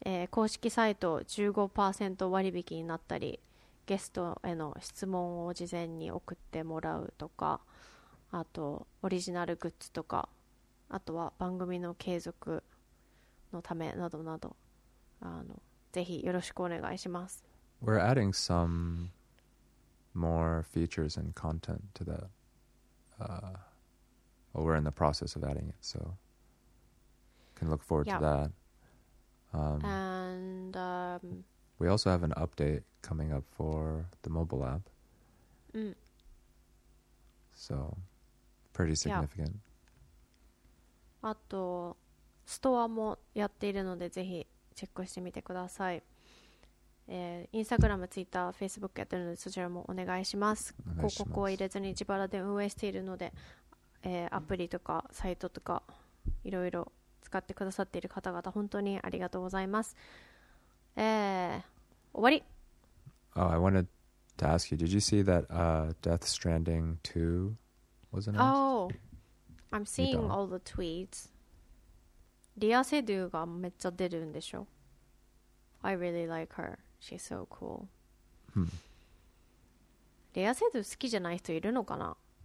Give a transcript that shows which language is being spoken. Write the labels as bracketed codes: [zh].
[ja] 公式サイト 15% 割引になったり、ゲストへの質問を事前に送ってもらうとか、あとオリジナルグッズとか、あとは番組の継続のためなどなど、ぜひよろしくお願いします。 [en] We're adding some more features and content to that. Well, we're in the process of adding it, so can look forward to that. We also have an update coming up for the mobile app. So, pretty significant. [ja] あと、ストアもやっているので、ぜひチェックしてみてください。インスタグラム、ツイッター、フェイスブックやってるので、そちらもお願いします。広告を入れずに自腹で運営しているので、アプリとかサイトとかいろいろ使ってくださっている方々、本当にありがとうございます。終わり。 [en] Oh, I wanted to ask you, did you see that Death Stranding 2 was announced? Oh, I'm seeing all the tweets. [ja] リアセドゥがめっちゃ出るんでしょ。 [en] I really like her. She's so cool. [ja] レアセドゥ好きじゃない人いるのかな？